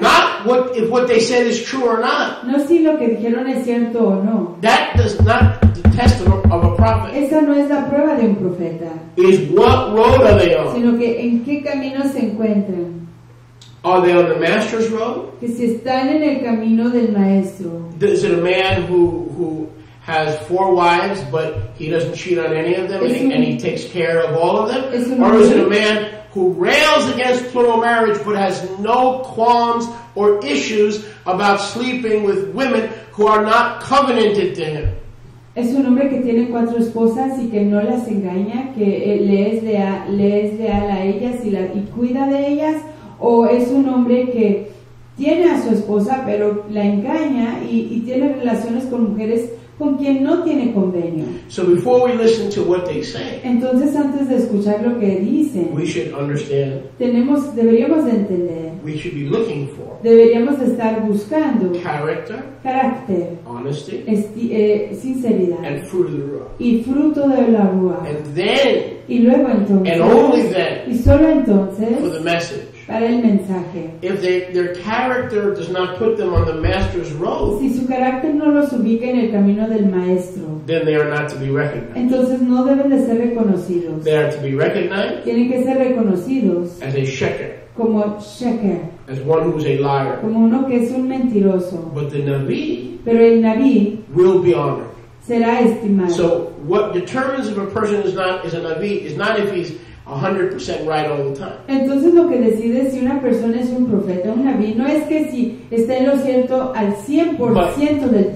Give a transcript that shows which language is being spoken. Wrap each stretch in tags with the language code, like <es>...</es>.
<en>Not what, if what they said is true or not.</en> <es>No si lo que dijeron es cierto o no.</es> <en>That does not test of a prophet.</en> <es>Esa no es la prueba de un profeta.</es> <en>Is what road are they on?</en> <es>Sino que en qué camino se encuentran.</es> <en>Are they on the master's road?</en> <es>Que si están en el camino del maestro.</es> <en>Is it a man who has four wives but he doesn't cheat on any of them and he takes care of all of them? Or is it a man who rails against plural marriage but has no qualms or issues about sleeping with women who are not covenanted to him?</en> <es>Es un hombre que tiene cuatro esposas y que no las engaña, que le es leal a ellas y cuida de ellas, o es un hombre que tiene a su esposa pero la engaña y tiene relaciones con mujeres con quien no tiene convenio.</es> <en>So before we listen to what they say,</en> <es>entonces antes de escuchar lo que dicen,</es> <en>we should understand,</en> <es>deberíamos de entender,</es> <en>we should be looking for,</en> <es>deberíamos de estar buscando</es> <en>character,</en> <es>carácter,</es> <en>honesty,</en> <es>sinceridad,</es> <en>and fruit of the rua,</en> <es>y fruto de la rúa,</es> <en>and then,</en> <es>y luego entonces,</es> <en>and only then,</en> <es>y solo entonces,</es> <en>for the message.</en> <es>Para el mensaje.</es> <en>If their character does not put them on the master's road,</en> <es>si su carácter no los ubica en el camino del maestro,</es> <en>then they are not to be recognized.</en> <es>Entonces no deben de ser reconocidos.</es> <en>They are to be recognized.</en> <es>Tienen que ser reconocidos.</es> <en>As a sheker.</en> <es>Como sheker.</es> <en>As one who is a liar.</en> <es>Como uno que es un mentiroso.</es> <en>But the Navi.</en> <es>Pero el Navi.</es> <en>Will be honored.</en> <es>Será estimado.</es> <en>So what determines if a person is a Navi is not if he's 100% right all the time.</en> <es>Entonces lo que decide si una persona es un profeta o un naví no es que si está en lo cierto al 100% del tiempo.</es>